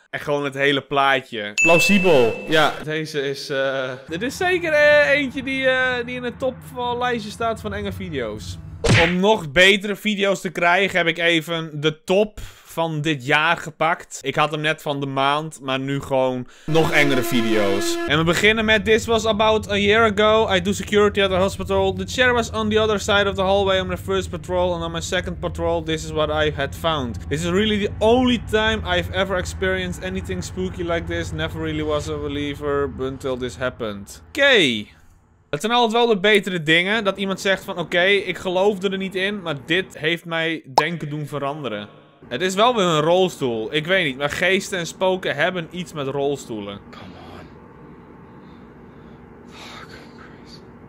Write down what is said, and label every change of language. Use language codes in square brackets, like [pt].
[nl] En gewoon het hele plaatje. Plausibel. Ja, deze is... Dit is zeker eentje die in de top van lijstje staat van enge video's. Om nog betere video's te krijgen, heb ik even de top van dit jaar gepakt. Ik had hem net van de maand, maar nu gewoon nog engere video's. En we beginnen met [en] This was about a year ago. I do security at the hospital. The chair was on the other side of the hallway on my first patrol. And on my second patrol, this is what I had found. This is really the only time I've ever experienced anything spooky like this. Never really was a believer until this happened. Okay. [nl] Het zijn altijd wel de betere dingen. Dat iemand zegt van oké, ik geloofde er niet in. Maar dit heeft mij denken doen veranderen. Het is wel weer een rolstoel. Ik weet niet, maar geesten en spoken hebben iets met rolstoelen. [en] Come on. Fuck, Chris.